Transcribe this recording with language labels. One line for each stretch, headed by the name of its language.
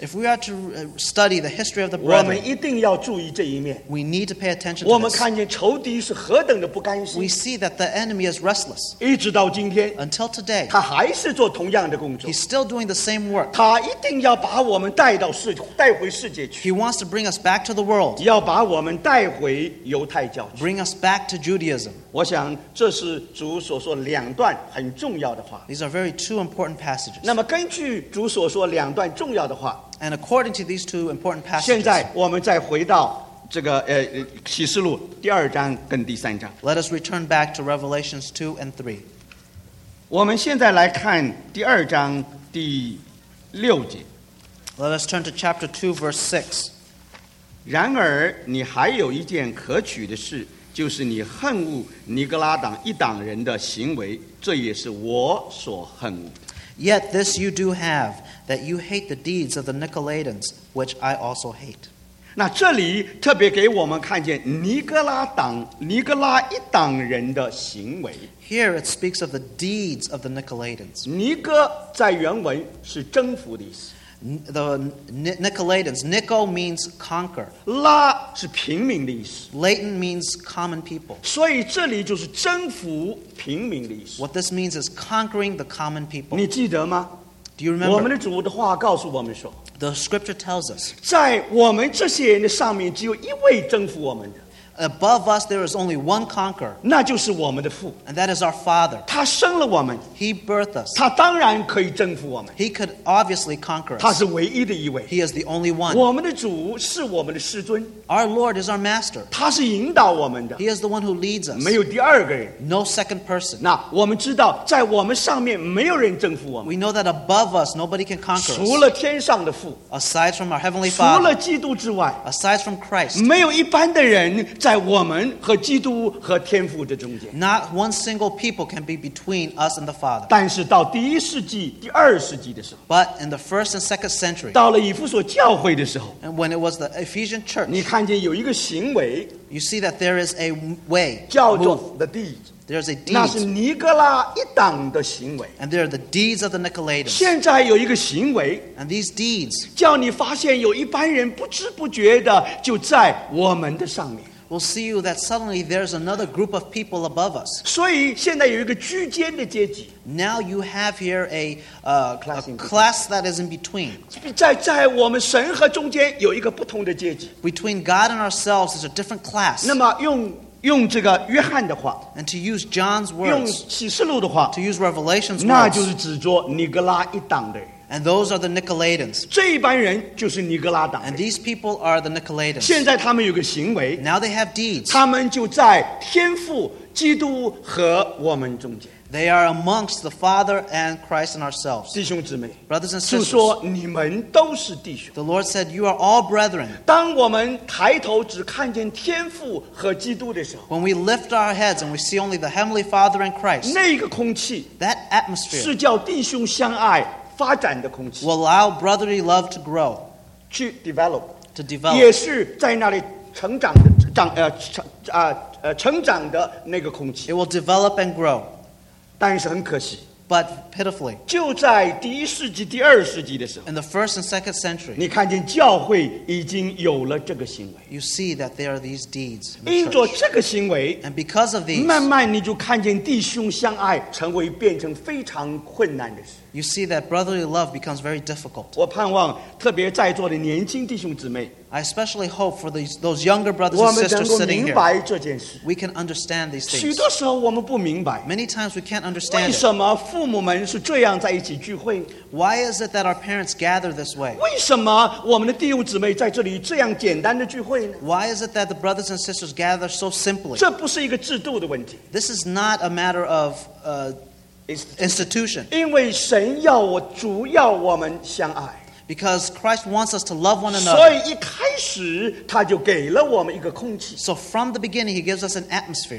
English: if we are to study the history of the brethren,
Chinese: 我们一定要注意这一面
English: we need to pay attention to
Chinese: 我们看见仇敌是何等的不甘心
English: we see that the enemy is restless.
Chinese: 一直到今天
English: until today,
Chinese: 他还是做同样的工作
English: he's still doing the same work.
Chinese: 他一定要把我们带回世界去
English: he wants to bring us back to the world.
Chinese: 要把我们带回犹太教去
English: bring us back to Judaism.
Chinese: 我想这是主所说两段很重要的话。
English: These are very two important passages.
Chinese: 那么根据主所说两段重要的话。
English: And according to these two important passages.
Chinese: 现在我们再回到这个启示录第二章跟第三章。
English: Let us return back to Revelations 2 and 3.
Chinese: 我们现在来看第二章第六节。
English: Let us turn to chapter 2 verse 6.
Chinese: 然而你还有一件可取的事。就是你恨恶尼格拉党一党人的行为，这也是我所恨恶的。
English: Yet this you do have, that you hate the deeds of the Nicolaitans, which I also hate.
Chinese: 那这里特别给我们看见尼格拉一党人的行为。
English: Here it speaks of the deeds of the Nicolaitans.
Chinese: 尼格在原文是征服的意思。
English: The Nicolaitans. Nico means conquer.
Chinese: La 是平民的意思。
English: Laten means common people.
Chinese: 所以这里就是征服平民的意思。
English: What this means is conquering the common people.
Chinese: 你记得吗？
English: Do you remember?
Chinese: 我们的主的话告诉我们说
English: The scripture tells us
Chinese: 在我们这些人的上面只有一位征服我们的
English: Above us there is only one conqueror
Chinese: 那就是我们的父
English: And that is our father
Chinese: 他生了我们
English: He birthed us
Chinese: 他当然可以征服我们
English: He could obviously conquer us
Chinese: 他是唯一的一位
English: He is the only one
Chinese: 我们的主是我们的师尊
English: Our Lord is our master
Chinese: 他是引导我们的
English: He is the one who leads us
Chinese: 没有第二个人
English: No second person
Chinese: 那我们知道在我们上面没有人征服我们
English: We know that above us nobody can conquer us
Chinese: 除了天上的父
English: Aside from our heavenly father
Chinese: 除了基督之外
English: Aside from Christ
Chinese: 没有一般的人在我们和基督和天父的中间
English: Not one single people can be between us and the Father
Chinese: 但是到第一世纪第二世纪的时候
English: But in the first and second century
Chinese: 到了以弗所教会的时候
English: And when it was the Ephesian church
Chinese: 你看见有一个行为
English: You see that there is a way
Chinese: 叫做
English: the deed There's a deed
Chinese: 那是尼格拉一党的行为
English: And there are the deeds of the Nicolaitans
Chinese: 现在有一个行为
English: And these deeds
Chinese: 叫你发现有一般人不知不觉的就在我们的上面
English: We'll see you that suddenly there's another group of people above us.
Chinese: 所以现在有一个居间的阶级。
English: Now you have here a class that is in between.
Chinese: 在我们神和中间有一个不同的阶级。
English: Between God and ourselves is a different class.
Chinese: 那么用这个约翰的话
English: And to use John's words.
Chinese: 用启示录的话
English: To use Revelation's
Chinese: words. 那就是指着尼格拉一党的人。
English: And those are the Nicolaitans.
Chinese: 这一般人就是尼格拉党。
English: And these people are the Nicolaitans.
Chinese: 现在他们有个行为。
English: Now they have deeds.
Chinese: 他们就在天父、基督和我们中间。
English: They are amongst the Father and Christ and ourselves.
Chinese: 弟兄姊妹。
English: Brothers and sisters.
Chinese: 主说你们都是弟兄。
English: The Lord said, you are all brethren.
Chinese: 当我们抬头只看见天父和基督的时候。
English: When we lift our heads and we see only the Heavenly Father and Christ.
Chinese: 那个空气。
English: That atmosphere.
Chinese: 是叫弟兄相爱。发展的空气
English: will allow brotherly love to grow, to develop, to develop,
Chinese: 也是在那里成长的长成长的那个空气
English: It will develop and grow,
Chinese: 但是很可惜
English: but pitifully,
Chinese: 就在第一世纪第二世纪的时候
English: in the first and second century,
Chinese: 你看见教会已经有了这个行为
English: you see that there are these deeds,
Chinese: 因着这个行为
English: and because of these,
Chinese: 慢慢你就看见弟兄相爱成为变成非常困难的事。
English: You see that brotherly love becomes very difficult.
Chinese: 我盼望特别在座的年轻弟兄姊妹
English: I especially hope for those younger brothers and sisters sitting here.
Chinese: 我们能够明白这件事
English: We can understand these things.
Chinese: 许多时候我们不明白
English: Many times we can't understand
Chinese: 为什么父母们是这样在一起聚会
English: Why is it that our parents gather this way?
Chinese: 为什么我们的弟兄姊妹在这里这样简单的聚会呢
English: Why is it that the brothers and sisters gather so simply?
Chinese: 这不是一个制度的问题
English: This is not a matter of Institution.
Chinese: 因为神要我主要我们相爱
English: Because Christ wants us to love one another.
Chinese: 所以一开始他就给了我们一个空气
English: So from the beginning he gives us an atmosphere.